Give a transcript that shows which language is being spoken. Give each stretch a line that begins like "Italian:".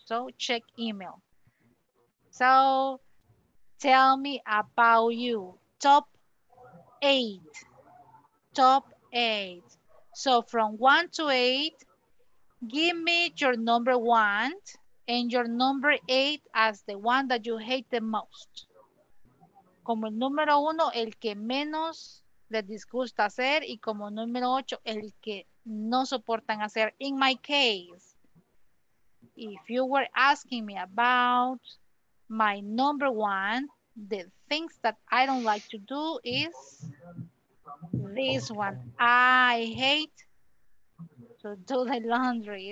English: So check email. So tell me about you. Top eight. Top eight. So from 1 to 8, give me your number one and your number eight as the one that you hate the most.
Spanish: Como el número uno, el que menos les disgusta hacer, y como número ocho, el que no soportan hacer.
English: In my case, if you were asking me about my number one, the things that I don't like to do is this one. I hate to do the laundry.